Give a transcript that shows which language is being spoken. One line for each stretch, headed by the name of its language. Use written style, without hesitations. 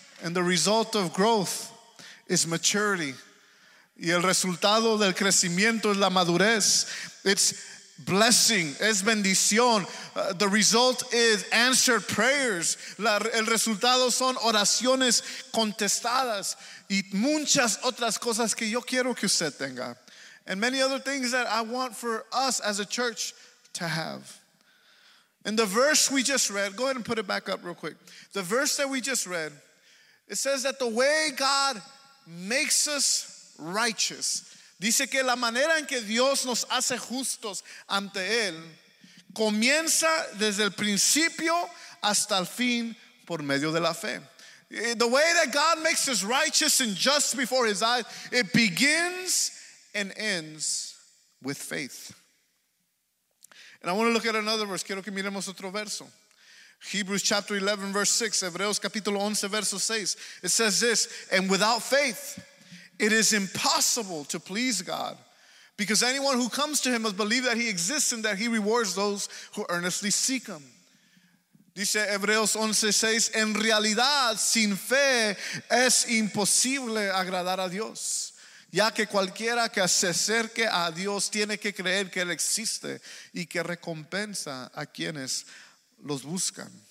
English: And the result of growth is maturity.
Spanish: Y el resultado del crecimiento es la madurez.
English: It's blessing,
Spanish: es bendición.
English: The result is answered prayers.
Spanish: El resultado son oraciones contestadas. Y muchas otras cosas que yo quiero que usted tenga.
English: And many other things that I want for us as a church to have. And the verse we just read, go ahead and put it back up real quick. The verse that we just read, it says that the way God makes us righteous.
Spanish: Dice que la manera en que Dios nos hace justos ante Él comienza desde el principio hasta el fin por medio de la fe.
English: The way that God makes us righteous and just before His eyes, it begins and ends with faith. And I want to look at another verse.
Spanish: Quiero que miremos otro verso.
English: Hebrews chapter 11 verse 6,
Spanish: Hebreos capítulo 11 verso 6,
English: it says this: and without faith it is impossible to please God, because anyone who comes to Him must believe that He exists and that He rewards those who earnestly seek Him.
Spanish: Dice Hebreos 11, 6, en realidad sin fe es imposible agradar a Dios, ya que cualquiera que se acerque a Dios tiene que creer que Él existe y que recompensa a quienes los buscan.